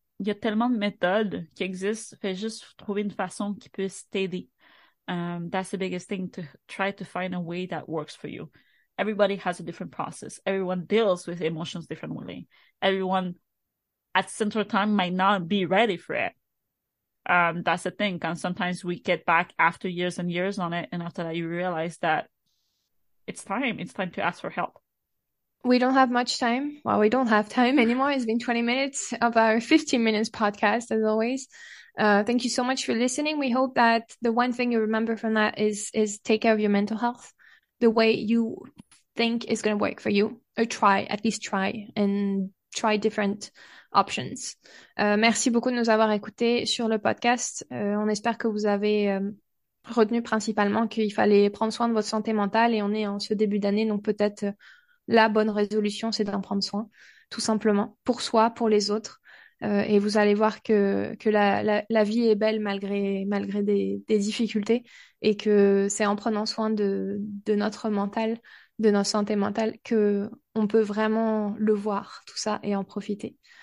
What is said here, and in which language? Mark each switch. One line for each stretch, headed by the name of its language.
French: Il y a tellement de méthodes qui existent, fait juste trouver une façon qui puisse t'aider.
English: That's the biggest thing, to try to find a way that works for you. Everybody has a different process. Everyone deals with emotions differently. Everyone at central time might not be ready for it. That's the thing. And sometimes we get back after years and years on it, and after that, you realize that it's time. It's time to ask for help. We don't have much time. Well, we don't have time anymore. It's been 20 minutes of our 15 minutes podcast, as always. Thank you so much for listening. We hope that the one thing you remember from that is take care of your mental health the way you think is going to work for you, or try, at least try, and try different options.
French: Merci beaucoup de nous avoir écoutés sur le podcast. On espère que vous avez retenu principalement qu'il fallait prendre soin de votre santé mentale, et on est en ce début d'année, donc peut-être la bonne résolution, c'est d'en prendre soin, tout simplement, pour soi, pour les autres. Et vous allez voir que la vie est belle malgré des difficultés, et que c'est en prenant soin de notre mental, de notre santé mentale, qu'on peut vraiment le voir, tout ça, et en profiter.